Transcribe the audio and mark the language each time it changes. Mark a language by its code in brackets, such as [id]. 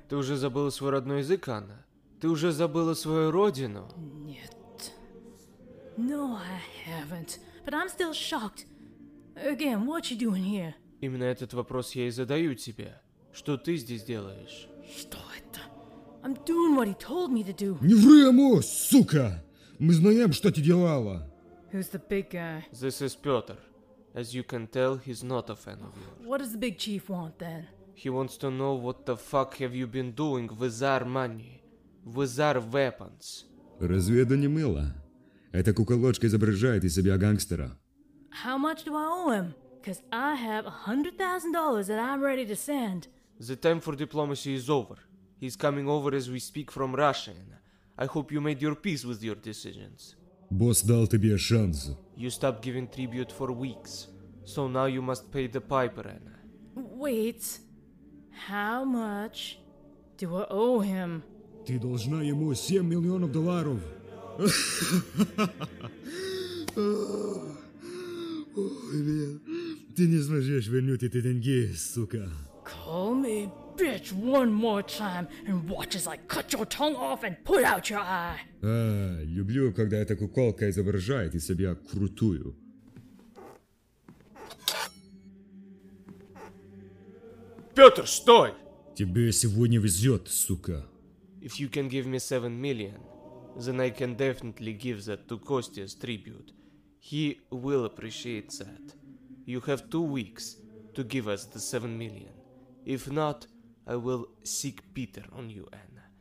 [ru] Ты уже забыла свой родной язык, Анна? Ты уже забыла свою родину? Нет. [en] No, I haven't. But I'm still shocked. Again, what are you doing here? [ru] Именно этот вопрос я и задаю тебе. Что ты здесь делаешь? Что это? [en] I'm doing what he told me to do. [ru] Не ври ему, сука! Мы знаем, что ты делала. [en] Who's the big guy? This is Piotr. As you can tell, he's not a fan of yours. What does the big chief want, then? He wants to know what the fuck have you been doing with our money, with our weapons. [ru] Разве это не мило? Эта куколочка изображает из себя гангстера. [en] How much do I owe him? Because I have $100,000 that I'm ready to send. The time for diplomacy is over. He's coming over as we speak from Russia, and I hope you made your peace with your decisions. [ru] Босс дал тебе шанс. [en] You stopped giving tribute for weeks. So now you must pay the piper, Anna. Wait. How much do I owe him? [ru] Ты должна ему 7 миллионов долларов. Ой, блин. Ты не сможешь вернуть эти деньги, сука. [en] Call me bitch one more time and watch as I cut your tongue off and put out your eye. [ru] А, люблю, когда эта куколка изображает из себя крутую. Петр, стой! Тебе сегодня везет, сука. [en] If you can give me 7 million, then I can definitely give that to Костя as tribute. He will appreciate that. You have 2 weeks to give us the 7 million. If not, I will seek Peter on you, Anna.